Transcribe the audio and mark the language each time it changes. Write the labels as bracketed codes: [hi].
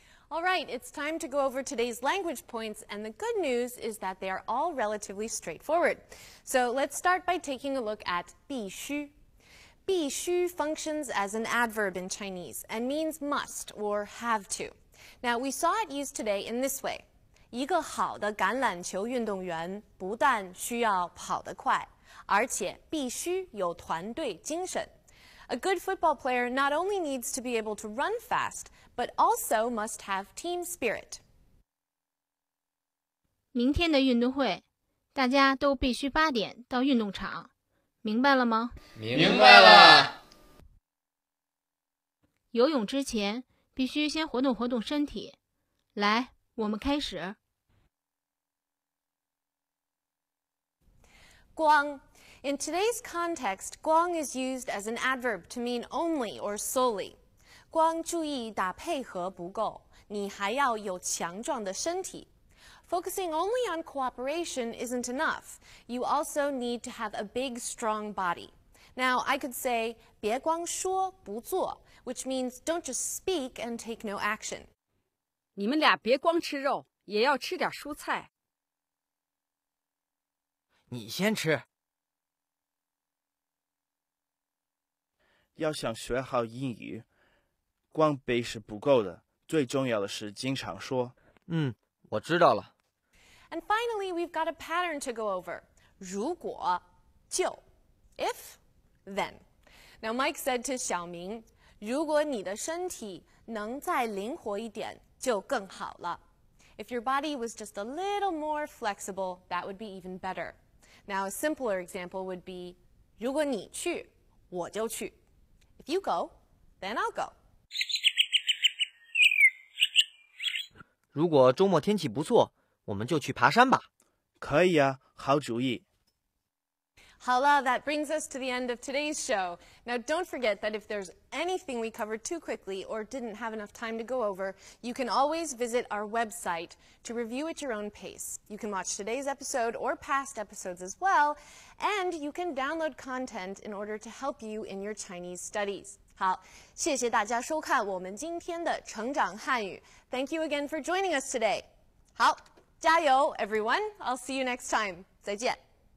[en] All right, it's time to go over today's language points, and the good news is that they are all relatively straightforward. So let's start by taking a look at 必须.必须 functions as an adverb in Chinese and means must or have to. Now, we saw it used today in this way. [zh] 一个好的橄榄球运动员不但需要跑得快，而且必须有团队精神。 [en] A good football player not only needs to be able to run fast, but also must have team spirit. [zh] 明天的运动会，大家都必须八点到运动场，明白了吗？明白了。游泳之前，必须先活动活动身体。来，我们开始。 [en] 光。In today's context, 光 is used as an adverb to mean only or solely. [zh] 光注意打配合不够，你还要有强壮的身体。 [en] Focusing only on cooperation isn't enough. You also need to have a big, strong body. Now, I could say [zh] 别光说不做, [en] which means don't just speak and take no action. [zh] 你们俩别光吃肉，也要吃点蔬菜。你先吃。要想学好英语，光背是不够的，最重要的是经常说。嗯，我知道了。 [en] And finally, we've got a pattern to go over. 如果就 if then. Now Mike said to 小明， [zh] 如果你的身体能再灵活一点，就更好了。 [en] If your body was just a little more flexible, that would be even better. Now a simpler example would be, [zh] 如果你去，我就去。 [en] If you go, then I'll go. [zh] 如果周末天气不错，我们就去爬山吧。可以啊，好主意。好了， [en] that brings us to the end of today's show. Now, don't forget that if there's anything we covered too quickly or didn't have enough time to go over, you can always visit our website to review at your own pace. You can watch today's episode or past episodes as well, and you can download content in order to help you in your Chinese studies. [zh] 好，谢谢大家收看我们今天的成长汉语。 [en] Thank you again for joining us today. [zh] 好，加油 [en] everyone. I'll see you next time. [zh] 再见。